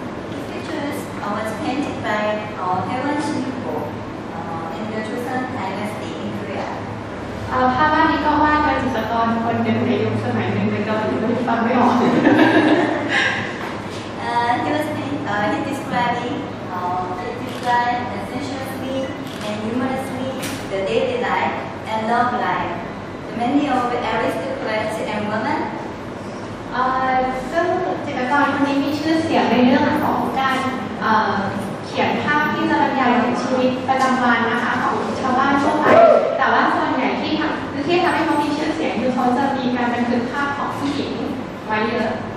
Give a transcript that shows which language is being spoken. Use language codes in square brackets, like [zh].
[en] The pictures was painted by Taiwan Shinpo in the Joseon Dynasty in Korea [th] ภาพวาดนี้ก็วาดโดยจิตรกรคนหนึ่งในยุคสมัยหนึ่งในเกาหลีฟังไม่ออก [en] He describing sensuously and humorously the daily life and love life the many of aristocrats and women. [th] So, จิตรกรคนนี้มีชื่อเสียงในเรื่องของการเขียนภาพที่จะบรรยายถึงชีวิตประจำวันนะคะของชาวบ้านทั่วไปแต่ว่าส่วนใหญ่ที่ทำให้เขามีชื่อเสียงคือเขาจะมีการบันทึกภาพของผู้หญิงไว้เยอะ